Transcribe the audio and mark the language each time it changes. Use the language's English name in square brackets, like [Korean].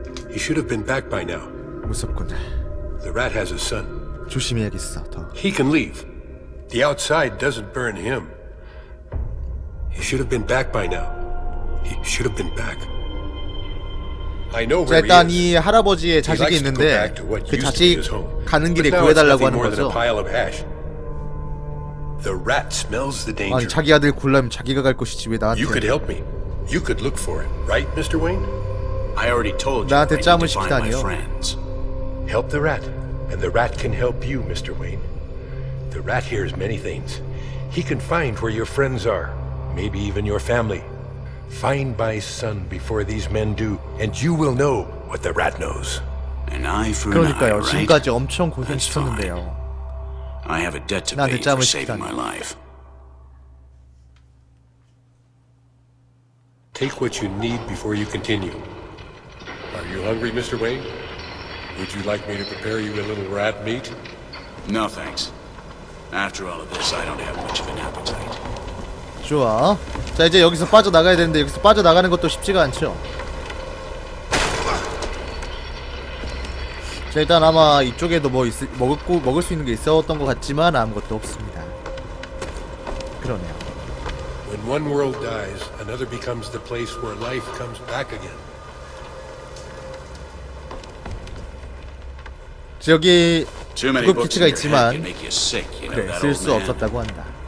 [English] He should have been back by now. [Korean] 무섭군. [English] The rat has a son. [Korean] 조심해야겠어, 더. [English] He can leave. The outside doesn't burn him. He should have been back by now. He should have been back. I know where he is. [Korean] 일단 이 할아버지의 자식이 있는데 그 자식 가는 길에 구해달라고 하는 거죠. [English] The rat smells the danger. [Korean] 아니, 자기 아들 굴라면 자기가 갈 곳이지 왜 나한테? [English] You could help me. You could look for him, right, Mr. Wayne? I already told you. [Korean] 나한테 짬을 시키다니요. [English] Help the rat, and the rat can help you, Mr. Wayne. The rat hears many things. He can find where your friends are, maybe even your family. Find my son before these men do, and you will know what the rat knows. An eye for an eye, right? [Korean] 그러니까요. 지금까지 엄청 고생했었는데요. [English] I have a debt to pay for saving my life. Take what you need before you continue. Are you hungry, Mr. Wayne? Would you like me to prepare you a little rat meat? No, thanks. After all of this, I don't have much of an appetite. [Korean] 좋아. 자, 이제 여기서 빠져나가야 되는데 여기서 빠져나가는 것도 쉽지가 않죠. 자, 일단 아마 이쪽에도 뭐 먹을 수 있는 게 있었던 것 같지만 아무것도 없습니다. 그러네요. [English] When one world dies, another becomes the place where life comes back again. [Korean] 여기 그 기치가 있지만 그래, 쓸 수 없었다고 한다.